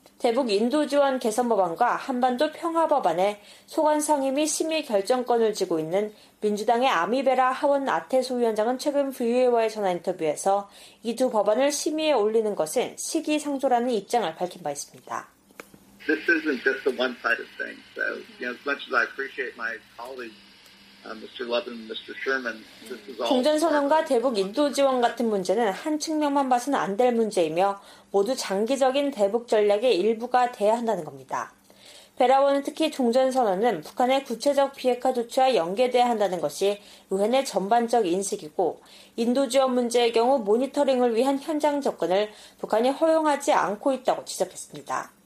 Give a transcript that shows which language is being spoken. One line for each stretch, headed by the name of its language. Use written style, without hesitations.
Korean: 대북 인도 지원 개선 법안과 한반도 평화 법안에 소관 상임위 심의 결정권을 쥐고 있는 민주당의 아미베라 하원 아테소 위원장은 최근 VOA와의 전화 인터뷰에서 이 두 법안을 심의에 올리는 것은 시기상조라는 입장을 밝힌 바 있습니다.
English: This isn't just a one-sided thing. So, you know, as much as I appreciate my colleagues, Mr. Levin, Mr. Sherman, this is all.
Korean: 종전선언과 대북 인도 지원 같은 문제는 한 측면만 봐서는 안 될 문제이며 모두 장기적인 대북 전략의 일부가 돼야 한다는 겁니다. 베라원은 특히 종전선언은 북한의 구체적 비핵화 조치와 연계돼야 한다는 것이 의회 내 전반적 인식이고 인도 지원 문제의 경우 모니터링을 위한 현장 접근을 북한이 허용하지 않고 있다고 지적했습니다.